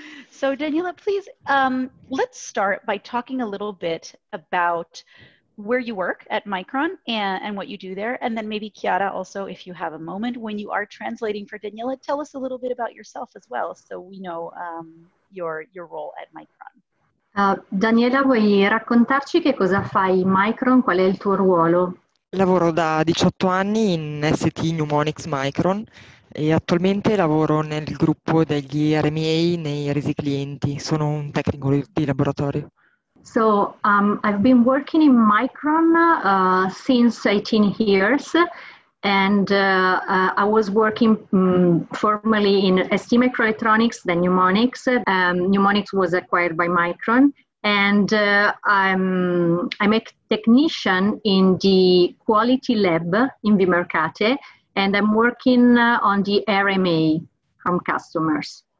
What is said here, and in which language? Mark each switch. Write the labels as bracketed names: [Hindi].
[English] So Daniela, please, let's start by talking a little bit about where you work at Micron and what you do there. And then maybe Chiara also, if you have a moment when you are translating for Daniela, tell us a little bit about yourself as well, so we know your role at Micron. [Italian] Daniela, vuoi raccontarci che cosa fai in Micron? Qual è il tuo ruolo? Lavoro da 18 anni in ST Pneumonics Micron e attualmente lavoro nel gruppo degli RMA nei resi clienti. Sono un tecnico di laboratorio. [English] So I've been working in Micron since 18 years, and I was working formerly in ST Microelectronics, then Pneumonics. Pneumonics was acquired by Micron, and I'm a technician in the quality lab in Vimercate, and I'm working on the RMA from customers.